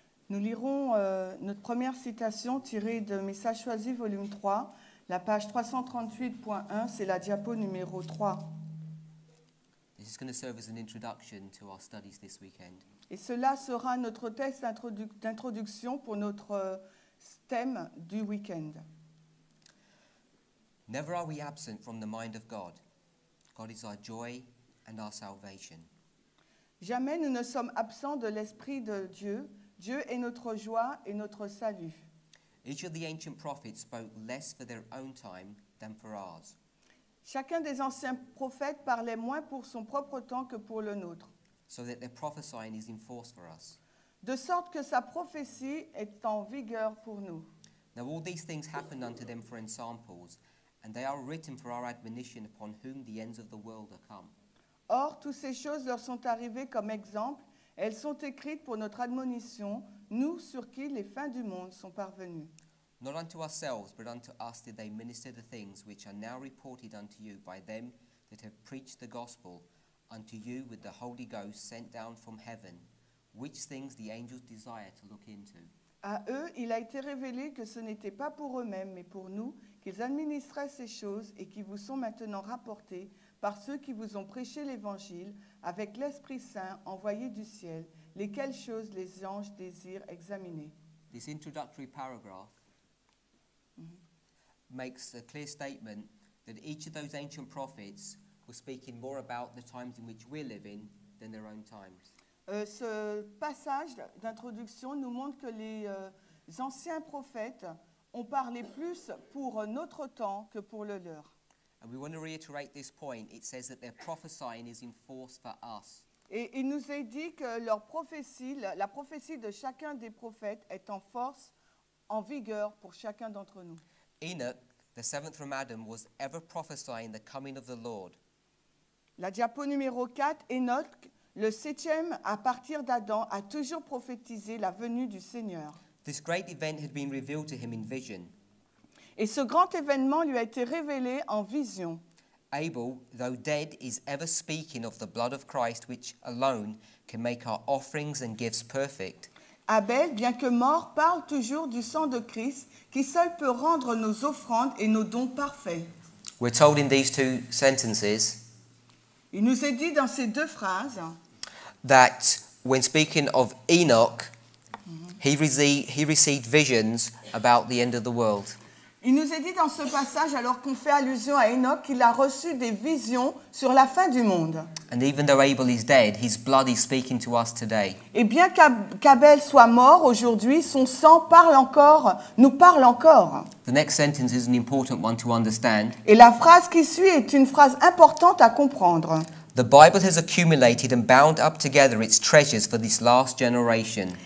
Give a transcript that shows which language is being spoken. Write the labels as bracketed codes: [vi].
[fr] Nous lirons notre première citation tirée de Message choisi, volume 3, la page 338.1, c'est la diapo numéro 3. [en] This is going to serve as an introduction to our studies this weekend. [fr] Et cela sera notre texte d'introduction pour notre thème du week-end. [en] Never are we absent from the mind of God. God is our joy and our salvation. [fr] Jamais nous ne sommes absents de l'Esprit de Dieu. Dieu est notre joie et notre salut. [en] Each of the ancient prophets spoke less for their own time than for ours. [fr] Chacun des anciens prophètes parlait moins pour son propre temps que pour le nôtre. [en] So that their prophesying is in force for us. [fr] De sorte que sa prophétie est en vigueur pour nous. [en] Now all these things happened unto them for examples, and they are written for our admonition upon whom the ends of the world are come. [fr] Or, toutes ces choses leur sont arrivées comme exemple. Elles sont écrites pour notre admonition, nous sur qui les fins du monde sont parvenues. [en] Not unto ourselves, but unto us did they minister the things which are now reported unto you by them that have preached the gospel unto you with the Holy Ghost sent down from heaven, which things the angels desire to look into. [fr] À eux, il a été révélé que ce n'était pas pour eux-mêmes, mais pour nous, qu'ils administraient ces choses et qui vous sont maintenant rapportées par ceux qui vous ont prêché l'Évangile avec l'Esprit Saint envoyé du ciel, lesquelles choses les anges désirent examiner. [en] This introductory paragraph makes a clear statement that each of those ancient prophets were speaking more about the times in which we're living than their own times. [fr] Ce passage d'introduction nous montre que les anciens prophètes ont parlé plus pour notre temps que pour le leur. [en] And we want to reiterate this point. It says that their prophesying is in force for us. [fr] Et il nous est dit que leur prophétie, la prophétie de chacun des prophètes est en force, en vigueur pour chacun d'entre nous. [en] Enoch, the seventh from Adam, was ever prophesying the coming of the Lord. [fr] La diapo numéro 4, Enoch, le septième à partir d'Adam, a toujours prophétisé la venue du Seigneur. [en] This great event had been revealed to him in vision. [fr] Et ce grand événement lui a été révélé en vision. [en] Abel, though dead, is ever speaking of the blood of Christ, which alone can make our offerings and gifts perfect. [fr] Abel, bien que mort, parle toujours du sang de Christ, qui seul peut rendre nos offrandes et nos dons parfaits. [en] We're told in these two sentences. [fr] Il nous est dit dans ces deux phrases. [en] That when speaking of Enoch, he received visions about the end of the world. [fr] Il nous est dit dans ce passage, alors qu'on fait allusion à Enoch, qu'il a reçu des visions sur la fin du monde. [en] And even though Abel is dead, his blood is speaking to us today. [fr] Et bien qu'Abel soit mort aujourd'hui, son sang parle encore, nous parle encore. [en] The next sentence is an important one to understand. [fr] Et la phrase qui suit est une phrase importante à comprendre. [en] The Bible has accumulated and bound up together its treasures for this last generation.